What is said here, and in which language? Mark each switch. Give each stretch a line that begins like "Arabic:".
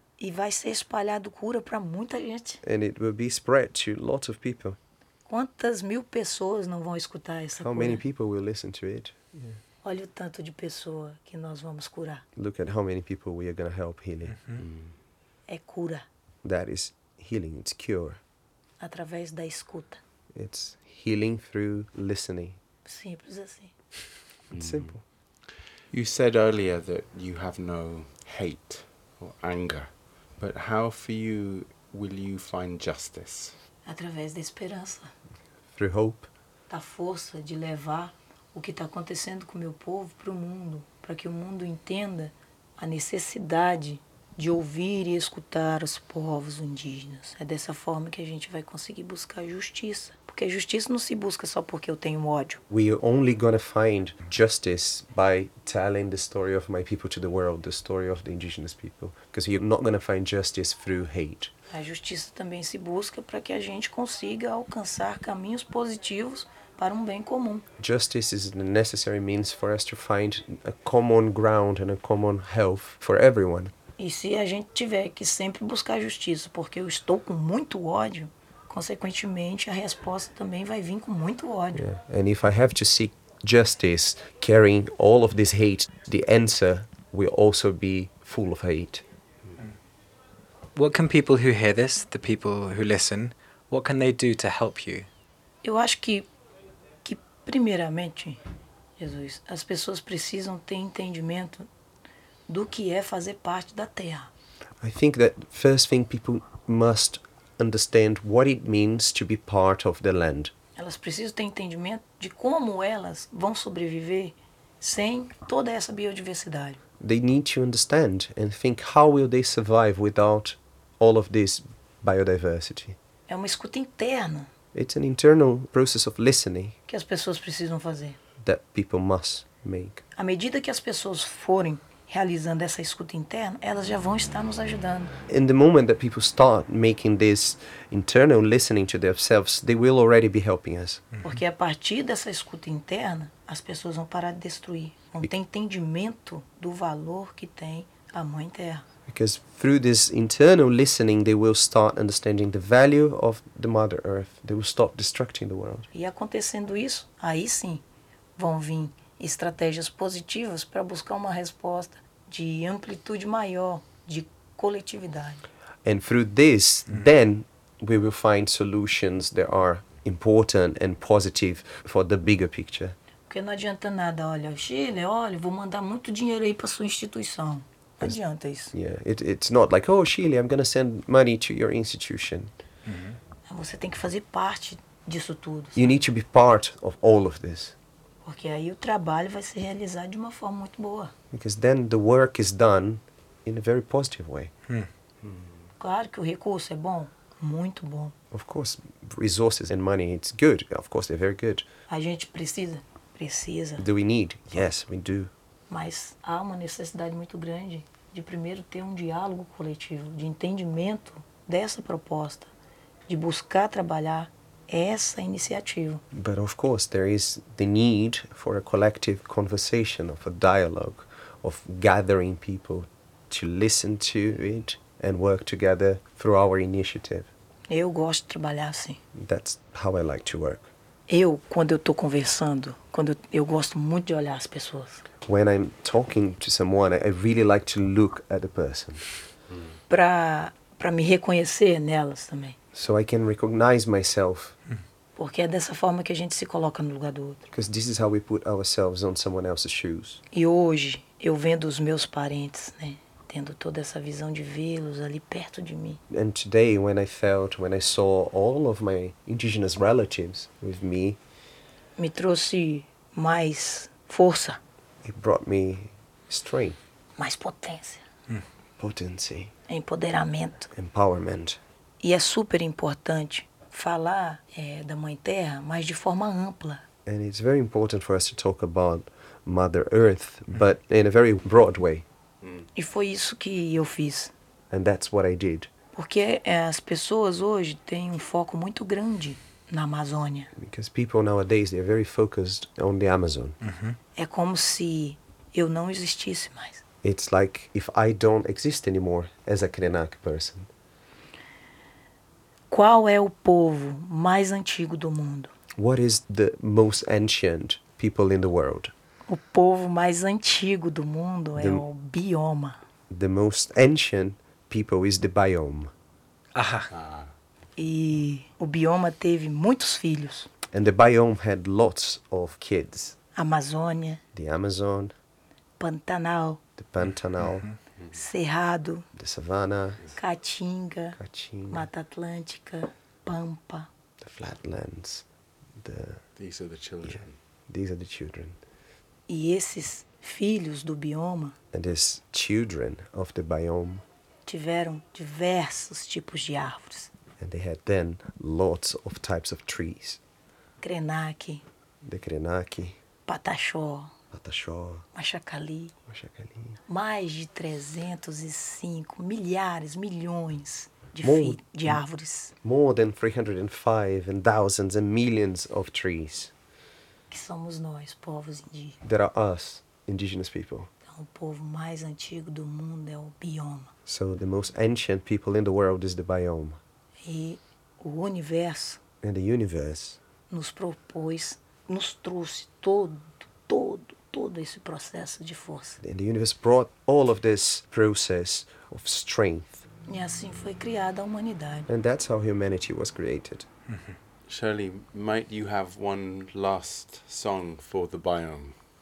Portuguese: E vai ser espalhado cura para muita gente.
English: And it will be spread to lots of people.
Portuguese: Quantas mil pessoas não vão escutar essa
English: How
Portuguese: cura?
English: How many people will listen to it? Yeah.
Portuguese: Olha o tanto de pessoa que nós vamos curar.
English: Look at how many people we are going to help healing.
Portuguese: É cura.
English: That is healing, it's cure.
Portuguese: Através da escuta.
English: It's healing through listening.
Portuguese: Simples assim.
English: It's simple. You said earlier that you have no hate or anger. But how for you will you find justice?
Portuguese: Através da esperança.
English: Through hope.
Portuguese: Da força de levar o que está acontecendo com o meu povo para o mundo, para que o mundo entenda a necessidade de ouvir e escutar os povos indígenas. É dessa forma que a gente vai conseguir buscar justiça. Porque a justiça não se busca só porque eu tenho ódio.
English: We are only going to find justice by telling the story of my people to the world, the story of the indigenous people. Because you're not going to find justice through hate.
Portuguese: A justiça também se busca para que a gente consiga alcançar caminhos positivos para bem comum.
English: Justice is a necessary means for us to find a common ground and a common health for everyone.
Portuguese: E se a gente tiver que sempre buscar justiça porque eu estou com muito ódio, consequentemente a resposta também vai vir com muito ódio.
English: Yeah. And if I have to seek justice carrying all of this hate, the answer will also be full of hate. What can people who hear this, the people who listen, what can they do to help you?
Portuguese: Eu acho que primeiramente, Jesus, as pessoas precisam ter entendimento do que é fazer parte da Terra.
English: I think that first thing people must understand what it means to be part of the land.
Portuguese: Elas precisam ter entendimento de como elas vão sobreviver sem toda essa biodiversidade.
English: They need to understand and think how will they survive without all of this biodiversity.
Portuguese: É uma escuta interna.
English: It's an internal process of listening.
Portuguese: Que as pessoas precisam fazer.
English: That people must make.
Portuguese: À medida que as pessoas forem realizando essa escuta interna, elas já vão estar nos ajudando.
English: In the moment that people start making this internal listening to themselves, they will already be helping us.
Portuguese: Porque a partir dessa escuta interna, as pessoas vão parar de destruir. Vão ter entendimento do valor que tem a Mãe Terra.
English: Because through this internal listening, they will start understanding the value of the Mother Earth. They will stop destructing the world.
Portuguese: E acontecendo isso, aí sim vão vir estratégias positivas para buscar uma resposta de amplitude maior, de coletividade.
English: And through this, then we will find solutions that are important and positive for the bigger picture.
Portuguese: Porque não adianta nada, olha, Chile, olha, vou mandar muito dinheiro aí para sua instituição. Não adianta isso.
English: Yeah, it's not like, oh, Chile, I'm going to send money to your institution.
Portuguese: Uhum. Você tem que fazer parte disso tudo.
English: You need to be part of all of this.
Portuguese: Porque aí o trabalho vai ser realizado de uma forma muito boa.
English: Because then the work is done in a very positive way.
Portuguese: Claro que o recurso é bom, muito bom.
English: Of course, resources and money, it's good. Of course, they're very good.
Portuguese: A gente precisa? Precisa.
English: Do we need? Yes, we do.
Portuguese: Mas há uma necessidade muito grande de primeiro ter um diálogo coletivo, de entendimento dessa proposta, de buscar trabalhar essa iniciativa.
English: But of course, there is the need for a collective conversation, of a dialogue, of gathering people to listen to it and work together through our initiative.
Portuguese: Eu gosto de trabalhar assim.
English: That's how I like to work.
Portuguese: Eu, quando eu estou conversando, quando eu gosto muito de olhar as pessoas.
English: When I'm talking to someone, I really like to look at the person.
Portuguese: Para me reconhecer nelas também.
English: So I can recognize myself.
Portuguese: Porque é dessa forma que a gente se coloca no lugar do outro.
English: Because this is how we put ourselves on someone else's shoes.
Portuguese: E hoje, eu vendo os meus parentes, né, tendo toda essa visão de vê-los ali perto de mim.
English: And today, when I saw all of my indigenous relatives with me,
Portuguese: me trouxe mais força.
English: It brought me strength.
Portuguese: Mais potência.
English: Potency.
Portuguese: Empoderamento.
English: Empowerment.
Portuguese: E é super importante falar da Mãe Terra, mas de forma ampla.
English: And it's very important for us to talk about Mother Earth, but in a very broad way.
Portuguese: E foi isso que eu fiz.
English: And that's what I did.
Portuguese: Porque as pessoas hoje têm foco muito grande na Amazônia.
English: Because people nowadays they're very focused on the Amazon.
Portuguese: É como se eu não existisse mais.
English: It's like if I don't exist anymore as a Krenak person.
Portuguese: Qual é o povo mais antigo do mundo?
English: What is the most ancient people in the world?
Portuguese: O povo mais antigo do mundo é o bioma.
English: The most ancient people is the biome. Ah.
Portuguese: E o bioma teve muitos filhos.
English: And the biome had lots of kids.
Portuguese: Amazônia.
English: The Amazon.
Portuguese: Pantanal.
English: The Pantanal.
Portuguese: Cerrado.
English: The Savannah.
Portuguese: Caatinga.
English: Caatinga.
Portuguese: Mata Atlântica. Pampa.
English: The Flatlands. These are the children. Yeah. These are the children.
Portuguese: E esses filhos do bioma.
English: And these children of the biome.
Portuguese: Tiveram diversos tipos de árvores.
English: And they had then lots of types of trees.
Portuguese: Krenak.
English: The Krenak.
Portuguese: Pataxó.
English: Pataxó.
Portuguese: Machacali.
English: Machacali.
Portuguese: Mais de 305 milhões. de árvores.
English: More than 305 and thousands and millions of trees.
Portuguese: Que somos nós, povos indígenas.
English: That are us, indigenous people.
Portuguese: Então, o povo mais antigo do mundo é o bioma.
English: So the most ancient people in the world is the biome.
Portuguese: E o universo.
English: And the universe.
Portuguese: Nos propôs, nos trouxe todo esse processo de força.
English: And the universe brought all of this process of strength.
Portuguese: E assim foi criada a humanidade.
English: And that's how humanity was created. Shirley, might you have one last song for the biome?